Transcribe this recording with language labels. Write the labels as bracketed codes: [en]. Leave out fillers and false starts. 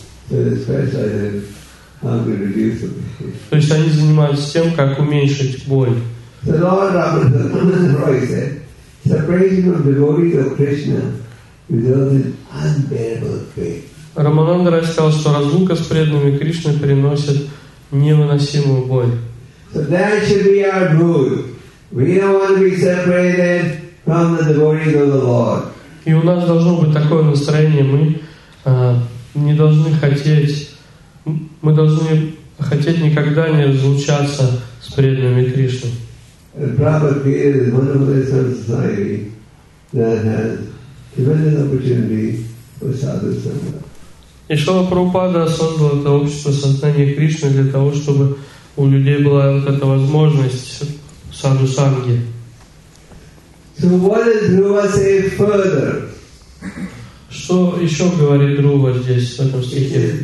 [ru] То есть они занимаются тем, как уменьшить боль. [en] The Lord Ramananda Roy said, separation of devotees of Krishna results in unbearable pain. [ru] Рамананда Рай сказал, что разлука с преданными Кришны приносит невыносимую боль. [en] So that should be our rule. We don't want to be separated from the devotees of the Lord. [ru] И у нас должно быть такое настроение. Мы не должны хотеть, мы должны хотеть никогда не разлучаться с преданными Кришны. [en] And Prabhupada created a wonderful society that has tremendous opportunity for sadhana sangha. [ru] И Шрила Прабхупада создал это общество сознания Кришны для того, чтобы у людей была вот эта возможность саду санги. [en] So what does Dhruva say further? [ru] Что еще говорит Дхрува здесь, в этом стихе?